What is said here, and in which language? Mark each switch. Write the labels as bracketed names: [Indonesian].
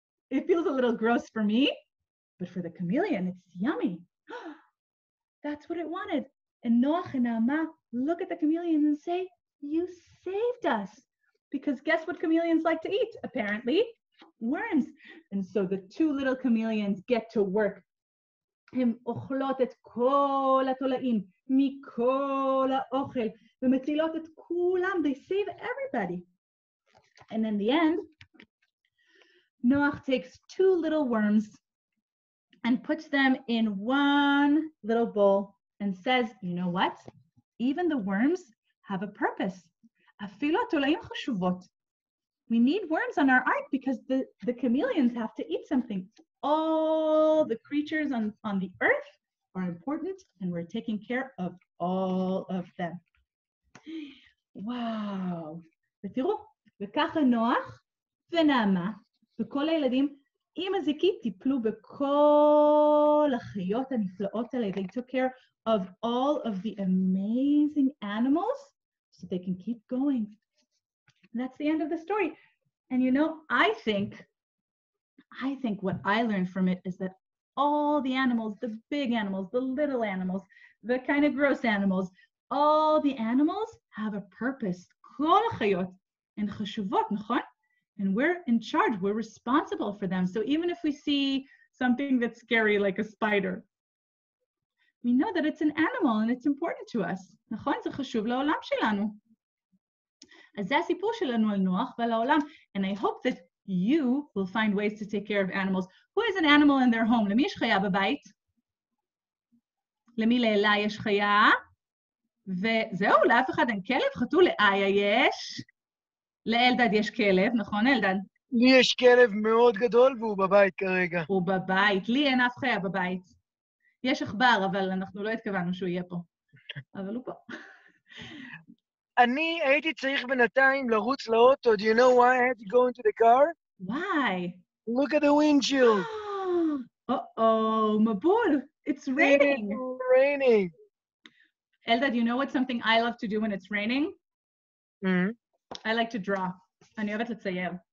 [English] It feels a little gross for me, but for the chameleon, it's yummy. That's what it wanted. And Noach and Naamah look at the chameleon and say, you saved us. Because guess what chameleons like to eat, apparently? Worms. And so the two little chameleons get to work. [Hebrew] הם אוכלות את כל התולעים מכל האוכל ומצילות את כולם. [English] They save everybody. And in the end, Noach takes two little worms and puts them in one little bowl and says, you know what? Even the worms have a purpose. [Hebrew] אפילו התולעים חשובות. [English] We need worms on our ark because the chameleons have to eat something. All the creatures on the earth are important and we're taking care of all of them. Wow. [Hebrew] ותראו, וככה נוח ונעמה וכל הילדים עם הזיקית טיפלו בכל החיות הנפלאות האלה. [English] They took care of all of the amazing animals so they can keep going. And that's the end of the story. And you know, I think what I learned from it is that all the animals, the big animals, the little animals, the kind of gross animals, all the animals have a purpose. [Hebrew] כל החיות הן חשובות, נכון? [English] And we're in charge, we're responsible for them. So even if we see something that's scary like a spider, we know that it's an animal and it's important to us. [Hebrew] נכון? זה חשוב לעולם שלנו. אז זה הסיפור שלנו על נוח ועל העולם. [English] And I hope that you will find ways to take care of animals. Who has an animal in their home? [Hebrew] למי יש חיה בבית? למי לאלה יש חיה? וזהו, לאף אחד אין כלב? חתול לאיה יש? לאלדד יש כלב, נכון אלדד? לי יש כלב מאוד גדול והוא בבית כרגע. הוא בבית, לי אין אף חיה בבית. יש עכבר, אבל אנחנו לא התכוונו שהוא יהיה פה. אבל הוא פה. אני הייתי צריך בינתיים לרוץ לאוטו. [English] Do you know why I had to go into the car? Why? Look at the windshield. Uh-oh, Mabul. It's raining. Raining. Elda, do you know what's something I love to do when it's raining? Mm-hmm. I like to draw. [Hebrew] אני אוהבת לצייר.